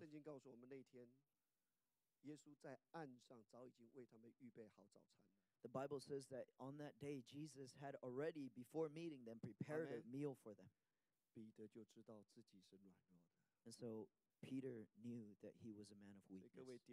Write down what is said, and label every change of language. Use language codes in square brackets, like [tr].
[zh] 圣经告诉我们那天, 耶稣在岸上早已经为他们预备好早餐了。 [en] The Bible says that on that day, Jesus had already, before meeting them, prepared Amen. A meal for them. [zh] 彼得就知道自己是软弱的。 [en] And so, Peter knew that he was a man of weakness.